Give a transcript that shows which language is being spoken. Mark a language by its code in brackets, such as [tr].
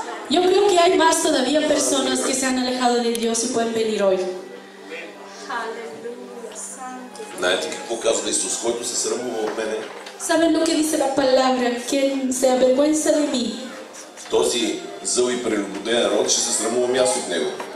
[es] Yo creo que hay más todavía personas que se han alejado de Dios y pueden venir hoy. [bg] Знаете какво казва Исус, който се срамува от мене? [es] Saben lo que dice la palabra, quien se avergüenza de mí. [bg] Този зъл и прелюбоден народ ще се срамувам аз от него.